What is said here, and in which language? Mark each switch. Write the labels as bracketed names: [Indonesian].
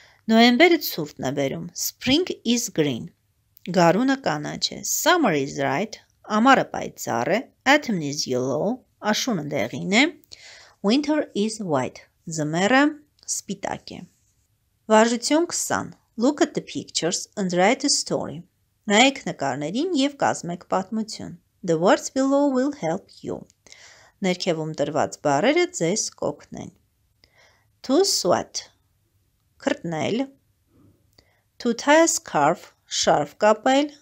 [Armenian] Նոյեմբերը ցուրտն է բերում։ [English] Spring is green. [Armenian] Գարունը կանաչ է։ [English] Summer is ripe. [Armenian] Ամառը պայծառ է։ [English] Autumn is yellow. [Armenian] Աշունը դեղին է։ [English] Winter is white. [Armenian] Ձմեռը սպիտակ է։ Վարժություն 20. [English] Look at the pictures and write a story. [Armenian] Նայեք նկարներին և կազմեք պատմություն։ [English] The words below will help you. [Armenian] Ներքևում տրված բառերը ձեզ կօգնեն։ [English] To sweat. [Armenian] Քրտնել. [English] To tie a scarf. [Armenian] Շարֆ կապել.